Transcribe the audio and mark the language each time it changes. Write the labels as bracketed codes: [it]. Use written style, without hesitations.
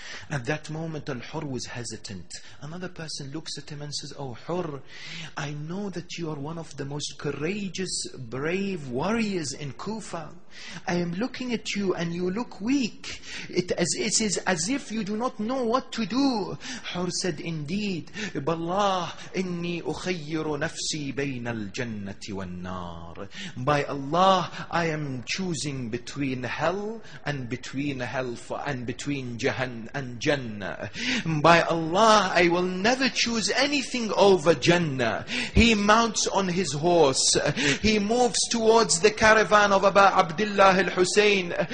[en] At that moment, Al-Hur was hesitant. Another person looks at him and says, oh, Hur, I know that you are one of the most courageous, brave warriors in Kufa. I am looking at you and you look weak. It is as if you do not know what to do. Hur said, indeed, [ar] بالله إني أخير نفسي بين الجنة والنار. [en] By Allah, I am choosing between hell and between hell and between Jahannam and Jannah. By Allah, I will never choose anything over Jannah. He mounts on his horse. He moves towards the caravan of Aba Abdullah al-Hussein.